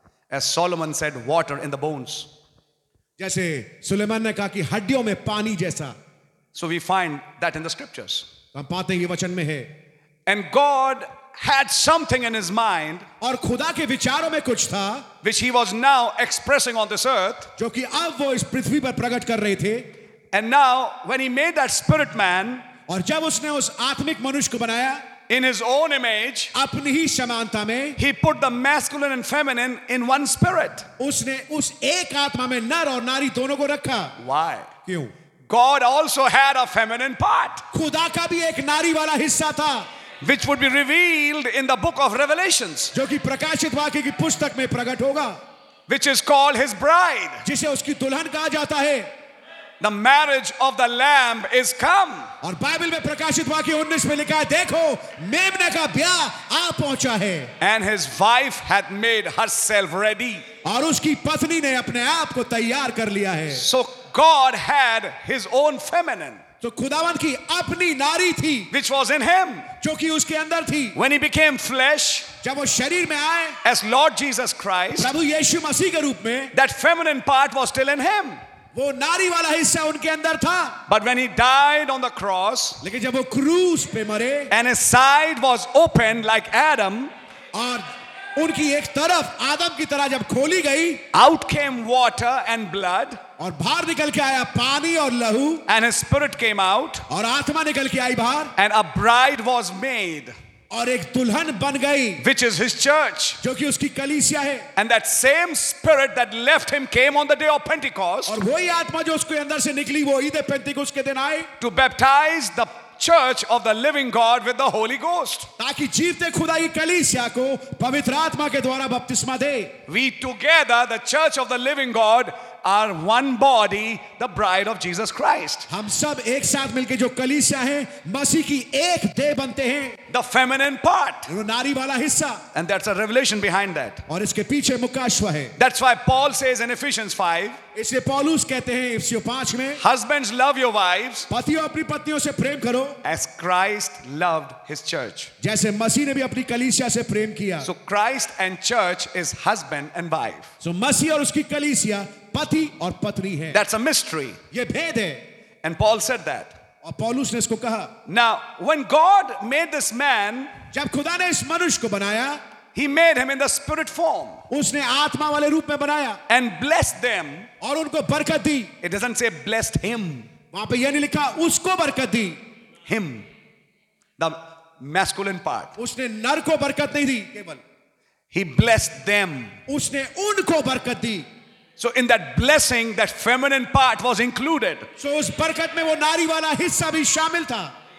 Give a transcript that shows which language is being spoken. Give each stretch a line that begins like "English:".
English: As Solomon said, water in the bones.
Hindi: जैसे सुलेमान ने कहा कि हड्डियों में पानी जैसा.
English: So we find that in the scriptures.
Hindi: हम पाते हैं ये वचन में है.
English: And God had something in his mind,
Hindi: और खुदा के विचारों में कुछ था,
English: which he was now expressing on this earth,
Hindi: जो कि अब वो इस पृथ्वी पर प्रकट कर रहे थे.
English: And now, when he made that spirit man,
Hindi: और जब उसने उस आत्मिक मनुष्य को बनाया,
English: in his own image,
Hindi: अपनी ही समानता में,
English: he put the masculine and feminine in one spirit.
Hindi: उसने उस एक आत्मा में नर और नारी दोनों को रखा.
English: Why?
Hindi: क्यों?
English: God also had a feminine part.
Hindi: खुदा का भी एक नारी वाला हिस्सा था.
English: Which would be revealed in the book of Revelations.
Hindi: जो कि प्रकाशित वाक्य की पुस्तक में प्रकट होगा.
English: Which is called his bride.
Hindi: जिसे उसकी दुल्हन कहा जाता है.
English: The marriage of the Lamb is come.
Hindi: और बाइबल में प्रकाशित वाक्य 19 में लिखा है, देखो मेमने का ब्याह आ पहुंचा है.
English: And his wife hath made herself ready.
Hindi: और उसकी पत्नी ने अपने आप को तैयार कर लिया है.
English: So God had his own feminine.
Hindi: तो खुदावंत की अपनी नारी थी,
English: which was in him,
Hindi: जो कि उसके अंदर थी.
English: When he became flesh,
Hindi: जब वो शरीर में आए,
English: as Lord Jesus Christ,
Hindi: प्रभु यीशु मसीह के रूप में,
English: that feminine part was still in him.
Hindi: वो नारी वाला हिस्सा उनके अंदर था.
English: But when he died on the cross,
Hindi: लेकिन जब वो क्रूस पे मरे,
English: and his side was opened like Adam,
Hindi: और उनकी एक तरफ आदम की तरह जब खोली गई,
English: out came water and blood.
Hindi: और बाहर निकल के आया पानी और लहू.
English: And his spirit came out.
Hindi: और आत्मा निकल के आई बाहर.
English: And a bride was made.
Hindi: और एक दुल्हन बन गई.
English: Which is his church.
Hindi: जो कि उसकी कलीसिया है.
English: And that same spirit that left him came on the day of Pentecost.
Hindi: और वही आत्मा जो उसके अंदर से निकली वो ईद पेंटिकॉस्ट के दिन आई.
English: To baptize the church of the living God with the Holy Ghost.
Hindi: ताकि जीवते खुदा की कलीसिया को पवित्र आत्मा के द्वारा बपतिस्मा दे.
English: We together, the church of the living God, are one body, the bride of Jesus Christ.
Hindi: हम सब एक साथ मिलके जो कलीसिया हैं, मसीह की एक देह बनते हैं.
English: The feminine part.
Hindi: वो नारी वाला हिस्सा.
English: And that's a revelation behind that.
Hindi: और इसके पीछे मुकाशवा है.
English: That's why Paul says in Ephesians 5.
Hindi: इसे पौलुस कहते हैं इफिसियों 5 में,
English: Husbands love your wives,
Hindi: पतियों अपनी पत्नियों से प्रेम करो,
English: as Christ loved his church,
Hindi: जैसे मसीह ने भी अपनी कलीसिया से प्रेम किया,
English: so Christ and church is husband and wife,
Hindi: so मसीह और उसकी कलीसिया पति और पत्नी है,
English: that's a mystery,
Hindi: ये भेद है,
English: and Paul said that,
Hindi: और पौलुस ने इसको कहा,
English: now when God made this man,
Hindi: जब खुदा ने इस मनुष्य को बनाया,
English: He made him in the spirit form.
Hindi: उसने आत्मा वाले रूप में बनाया.
English: And blessed them.
Hindi: और उनको बरकत दी.
English: It doesn't say blessed him.
Hindi: वहाँ पे ये नहीं लिखा उसको बरकत दी.
English: Him, the masculine part.
Hindi: उसने नर को बरकत नहीं दी केवल.
English: He blessed them.
Hindi: उसने उनको बरकत दी.
English: So in that blessing, that feminine part was included.
Hindi: So उस बरकत में वो नारी वाला हिस्सा भी शामिल था.